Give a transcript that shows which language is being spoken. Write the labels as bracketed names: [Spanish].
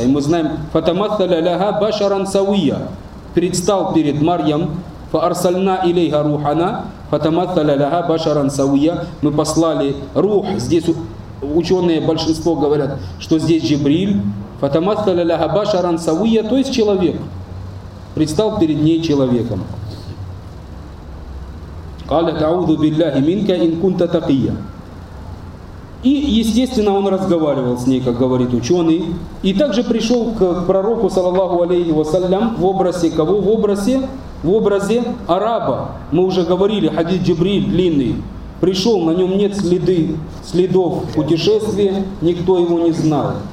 [Russian] И мы знаем, [Arabic] фатаматталя ляга башаран сауия. [Russian] Предстал перед Марьям, [Arabic] фа арсальна илейха рухана, фатаматталя ляга башаран сауия. [Russian] Мы послали рух. Здесь ученые, большинство говорят, что здесь Джибриль. [Arabic] Фатаматталя ляга башаран сауия, [Russian] то есть человек. Предстал перед ней человеком. [Arabic] قالت اعوذ بالله منك ان كنت تقيا. [Russian] И естественно он разговаривал с ней, как говорит ученый, и также пришел к пророку саллаллаху алейхи ва саллям в образе кого? В образе араба. Мы уже говорили, хадис Джибриль длинный, пришел, на нем нет следов путешествия, никто его не знал.